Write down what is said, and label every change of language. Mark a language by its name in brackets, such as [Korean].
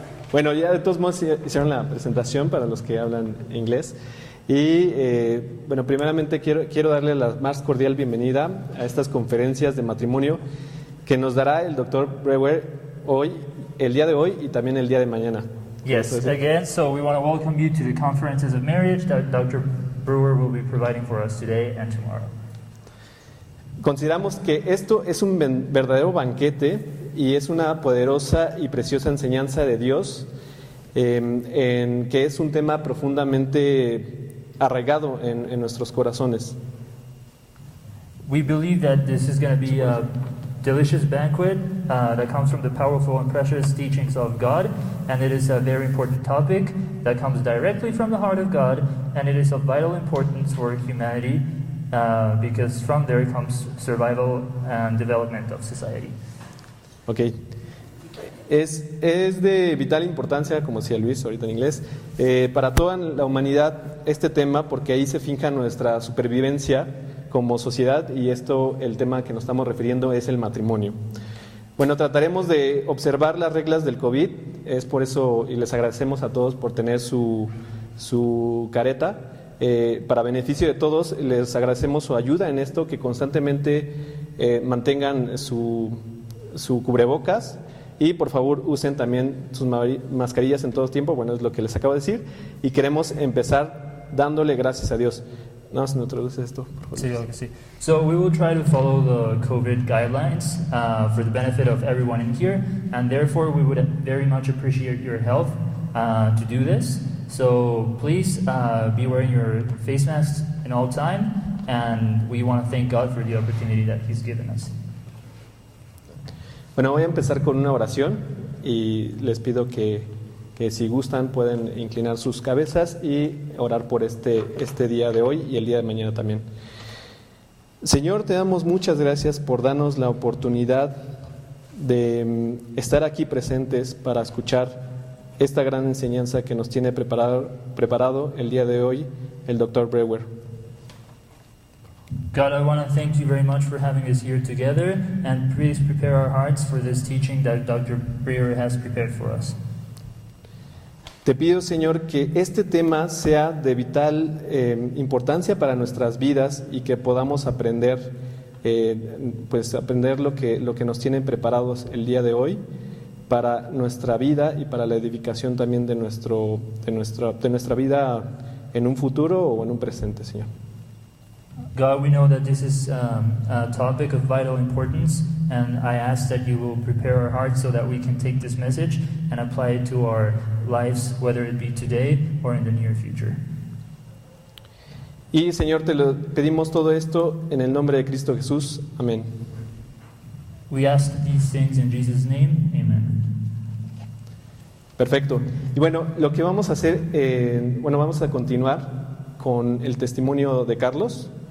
[Spanish] Bueno, ya de todos modos hicieron la presentación para los que hablan inglés. Y bueno, primeramente quiero darle la más cordial bienvenida a estas conferencias de matrimonio que nos dará el Dr. Brewer hoy, el día de hoy y también el día de mañana. [English] Yes, again, so we want to welcome you to the conferences of marriage that Dr. Brewer will be providing for us today and tomorrow. [Spanish] Consideramos que esto es un verdadero banquete y es una poderosa y preciosa enseñanza de Dios, en que es un tema profundamente arraigado en nuestros corazones. [English] We believe that this is going to be a delicious banquet that comes from the powerful and precious teachings of God, and it is a very important topic that comes directly from the heart of God, and it is of vital importance for humanity, because from there comes survival and development of society. Okay. [Spanish] Es de vital importancia, como decía Luis ahorita en inglés, para toda la humanidad este tema, porque ahí se finja nuestra supervivencia como sociedad, y esto, el tema que nos estamos refiriendo es el matrimonio. Bueno, trataremos de observar las reglas del COVID, es por eso, y les agradecemos a todos por tener su careta. Para beneficio de todos, les agradecemos su ayuda en esto, que constantemente mantengan su cubrebocas. Y por favor usen también sus mascarillas en todo tiempo. Bueno, es lo que les acabo de decir. Y queremos empezar dándole gracias a Dios. No, si no traduces esto, por favor. Sí, ok, sí. [English] So we will try to follow the COVID guidelines for the benefit of everyone in here. And therefore we would very much appreciate your help to do this. So please be wearing your face masks in all time. And we want to thank God for the opportunity that he's given us. [Spanish] Bueno, voy a empezar con una oración y les pido que si gustan pueden inclinar sus cabezas y orar por este día de hoy y el día de mañana también. Señor, te damos muchas gracias por darnos la oportunidad de estar aquí presentes para escuchar esta gran enseñanza que nos tiene preparado el día de hoy el Dr. Brewer. [English] God, I want to thank you very much for having us here together, and please prepare our hearts for this teaching that Dr. Brewer has prepared for us. [Spanish] Te pido, Señor, que este tema sea de vital importancia para nuestras vidas y que podamos aprender, aprender lo que nos tienen preparados el día de hoy para nuestra vida y para la edificación también de nuestra vida en un futuro o en un presente, Señor. [English] God, we know that this is a topic of vital importance, and I ask that you will prepare our hearts so that we can take this message and apply it to our lives, whether it be today or in the near future. [Spanish] Y Señor, te lo pedimos todo esto en el nombre de Cristo Jesús. Amén. [English] We ask these things in Jesus' name. Amen. [Spanish] Perfecto. Y bueno, lo que vamos a hacer, vamos a continuar con el testimonio de Carlos.